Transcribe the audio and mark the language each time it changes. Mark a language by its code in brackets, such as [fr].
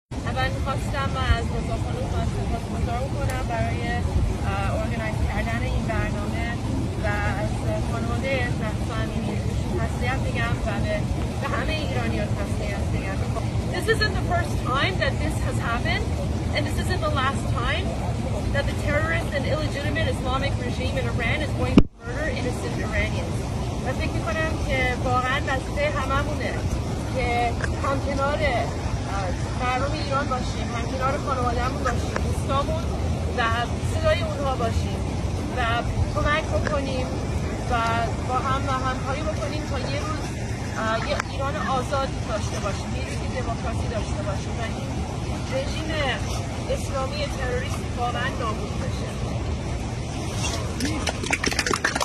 [fa] من خواستم از مزاخانو سپاسگزار کنم برای ارگنایز کردن این برنامه و از خانواده مهسا امینی تسلیت میگم و به همه ایرانی ها تسلیت میگم. [en] This isn't the first time that this has happened, and this isn't the last time that the terrorist and illegitimate Islamic regime in Iran is going to murder innocent Iranians. [fa] من فکر میکنم که واقعا وظیفه هممونه که هم کنار مردم ایران باشیم، هم کنار خانوادهمون باشیم، دوستامون و صدای اونها باشیم و کمک بکنیم و با هم و همکاری بکنیم تا یه روز یه ایران آزاد داشته باشیم، یه روزی دموکراسی داشته باشیم و این رژیم اسلامی تروریستی واقعا نابود بشه.